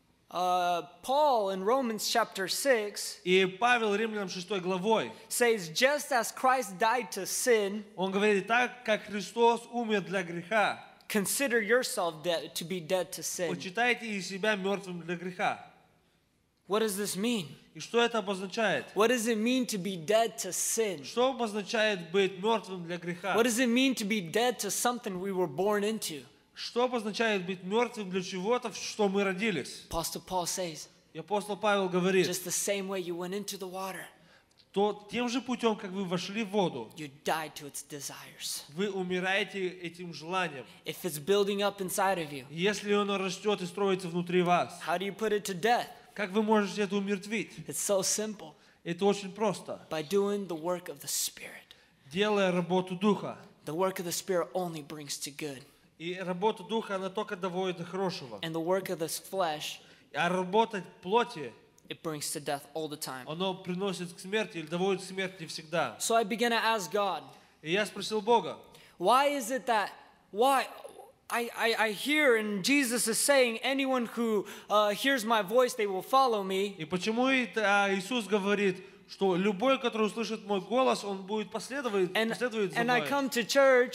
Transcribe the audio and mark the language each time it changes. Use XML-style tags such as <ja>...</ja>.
<en>Paul in Romans chapter 6.</en> <ru>И Павел Римлянам 6 главой.</ru> <en>Says just as Christ died to sin.</en> <ru>Он говорит так, как Христос умер для греха.</ru> <en>Consider yourself dead to be dead to sin.</en> <ru>Почитайте себя мертвым для греха.</ru> <en>What does this mean?</en> <ru>И что это обозначает?</ru> <en>What does it mean to be dead to sin?</en> <ru>Что обозначает быть мертвым для греха?</ru> <en>What does it mean to be dead to something we were born into?</en> <ru>Что обозначает быть мертвым для чего-то, в что мы родились?</ru> <en>Apostle Paul says.</en> <ru>И апостол Павел говорит.</ru> <en>Just the same way you went into the water.</en> <ru>То тем же путем, как вы вошли в воду.</ru> <en>You died to its desires.</en> <ru>Вы умираете этим желанием.</ru> <en>If it's building up inside of you.</en> <ru>Если оно растет и строится внутри вас.</ru> <en>How do you put it to death?</en> <ru>Как вы можете это умертвить?</ru> <en>It's so simple.</en> <ru>Это очень просто.</ru> <en>By doing the work of the Spirit.</en> <ru>Делая работу Духа.</ru> <en>The work of the Spirit only brings to good.</en> <ru>И работа Духа, она только доводит до хорошего.</ru> <en>And the work of this flesh,</en> <ru>а работа плоти,</ru> <en>it brings to death all the time.</en> <ru>Оно приносит к смерти или доводит к смерти всегда.</ru> <en>So I began to ask God,</en> <ru>и я спросил Бога,</ru> <en>why is it that, why, I hear and Jesus is saying, anyone who hears my voice, they will follow me.</en> <ru>И почему это Иисус говорит, что любой, который услышит мой голос, он будет последовать за мной.</ru>